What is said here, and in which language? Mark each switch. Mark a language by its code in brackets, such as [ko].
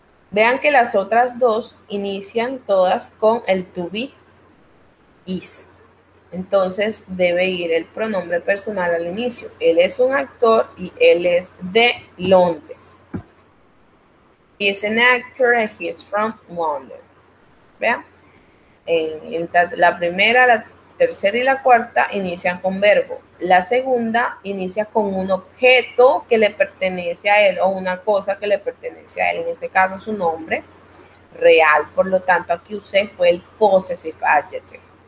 [es] Vean que las otras dos inician todas con el to be. Is. Entonces, debe ir el pronombre personal al inicio. Él es un actor y él es de Londres. [en] He is an actor and he is from London. [es] ¿Vean? En la primera, la tercera y la cuarta inician con verbo. La segunda inicia con un objeto que le pertenece a él o una cosa que le pertenece a él. En este caso, su nombre real. Por lo tanto, aquí usé fue el possessive adjective.